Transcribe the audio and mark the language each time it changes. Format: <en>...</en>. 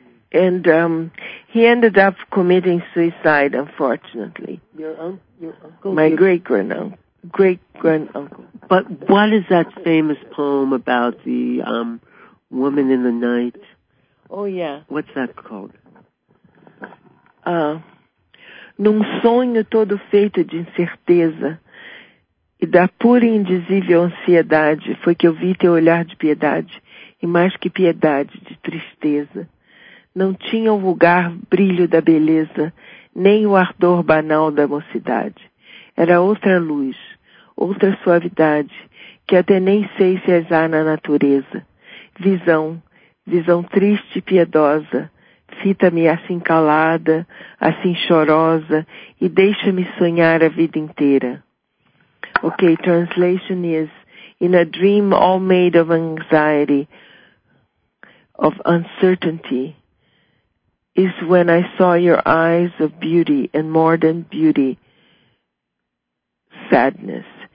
<en>And he ended up committing suicide, unfortunately. My great-grand-uncle. But what is that famous poem about the woman in the night? Oh, yeah. What's that called?</en> <pt>Num sonho todo feito de incerteza e da pura e indizível ansiedade, foi que eu vi teu olhar de piedade e mais que piedade, de tristeza. Não tinha o vulgar brilho da beleza, nem o ardor banal da mocidade. Era outra luz, outra suavidade, que até nem sei se há na natureza. Visão, visão triste e piedosa, fita-me assim calada, assim chorosa, e deixa-me sonhar a vida inteira.</pt> <en>Ok, translation is, in a dream all made of anxiety, of uncertainty, is when I saw your eyes of beauty, and more than beauty, sadness.</en>